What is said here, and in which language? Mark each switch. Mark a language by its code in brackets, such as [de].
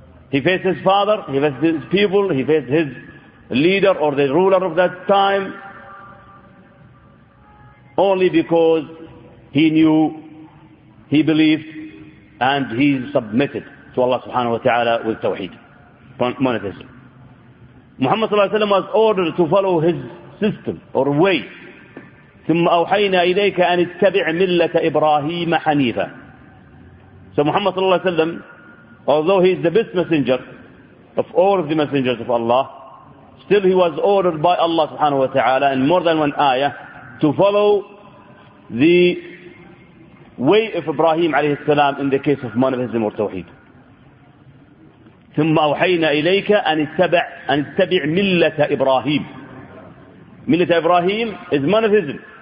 [en] He faced his father, he faced his people, he faced his leader or the ruler of that time, only because he knew, he believed, and he submitted to Allah subhanahu wa ta'ala with tawheed, monotheism. Muhammad sallallahu alayhi wa sallam was ordered to follow his system or way. [ar] ثم أوحينا إليك أن اتبع ملة إبراهيم حنيفا. [en] So Muhammad [ar] صلى الله عليه وسلم, [en] although he is the best messenger of all of the messengers of Allah, still he was ordered by Allah [ar] سبحانه وتعالى [en] in more than one ayah to follow the way of Ibrahim [ar] عليه السلام [en] in the case of monotheism or tawheed. [ar] ثم أوحينا إليك أن اتبع ملة إبراهيم. ملة إبراهيم [en] is monotheism.